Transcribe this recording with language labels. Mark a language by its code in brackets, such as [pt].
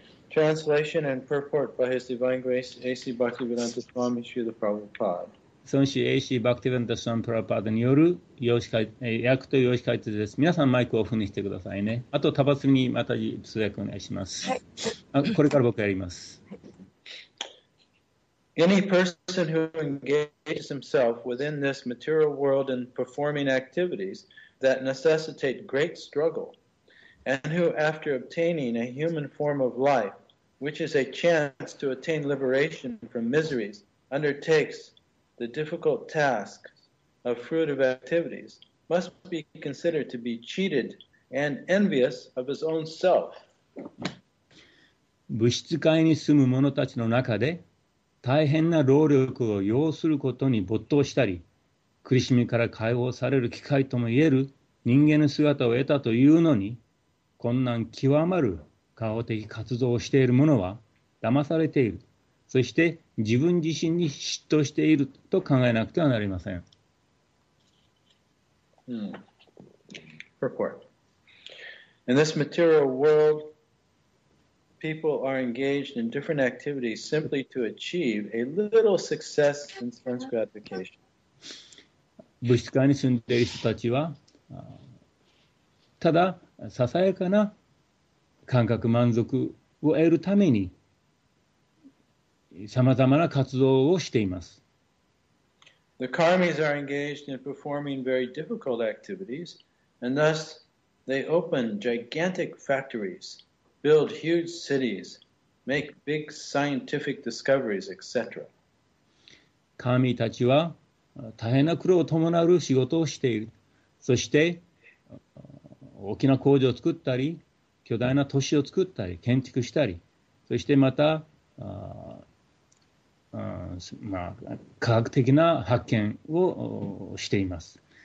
[en] Translation and purport by His Divine Grace, A.C. Bhaktivedanta Swami Sri the Prabhupada. [ja] 孫子 AC バクティヴェンタ・スワミ・プラパーダによる訳と用紙解説です。皆さんマイクをオフにしてくださいね。あと、タバスミにまた通訳お願いします。はい、あこれから僕やります。 [en] Any person who engages himself within this material world in performing activities that necessitate great struggle, and who after obtaining a human form of life, which is a chance to attain liberation from miseries, undertakes... The difficult task of fruitive activities must be considered to be cheated and envious of his own self. [ja] 物質界に住む者たちの中で大変な労力を要することに没頭したり、苦しみから解放される機会ともいえる人間の姿を得たというのに、困難極まる顔的活動をしている者は騙されている。そして自分自身に嫉妬していると考えなくてはなりません。 [en] Purport. In this material world, people are engaged in different activities simply to achieve a little success in sense gratification. [ja] 物質界に住んでいる人たちは、ただささやかな感覚満足を得るために、さまざまな活動をしています。 [en] The karmis are engaged in performing very difficult activities, and thus they open gigantic factories, build huge cities, make big scientific discoveries, etc. [ja] カーミーたちは大変な苦労を伴う仕事をしている。そして大きな工場を作ったり、巨大な都市を作ったり、建築したり、そしてまた、まあ、科学的な発見をしています。